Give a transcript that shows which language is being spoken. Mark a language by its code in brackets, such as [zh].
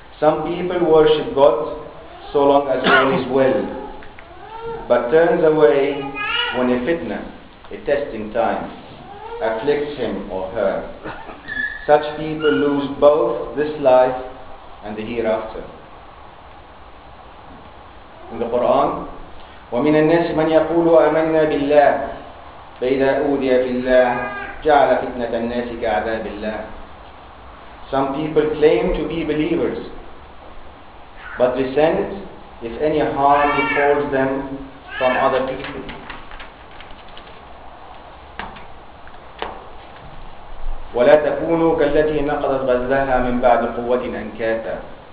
[en] Some people worship God so long as all is well, but turns away when a fitna, a testing time, afflicts him or her. Such people lose both this life and the hereafter. In the Quran, [ar] وَمِنَ النَّاسِ مَنْ يَقُولُ آمَنَّا بِاللَّهِ فَإِذَا أُوذِيَ فِي اللَّهِ جَعَلَ فِتْنَةَ النَّاسِ كَعَذَابِ اللَّهِ. [en] Some people claim to be believers, but resent if any harm befalls them from other people. [ar] وَلَا تَكُونُوا كَالَّتِي نَقَضَتْ غَزْلَهَا مِنْ بَعْدِ قُوَّةٍ أَنْكَاثًا.